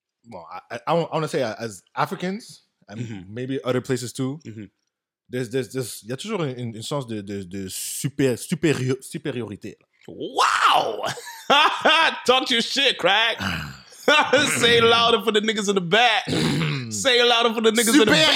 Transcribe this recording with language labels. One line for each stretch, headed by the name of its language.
English: Well, I want to say as Africans and mm-hmm. maybe other places too, mm-hmm.
French: there's y a toujours une sens de supériorité.
English: Wow! Talk your shit, crack. Say it louder for the niggas in the back. Say it louder for the niggas in the back.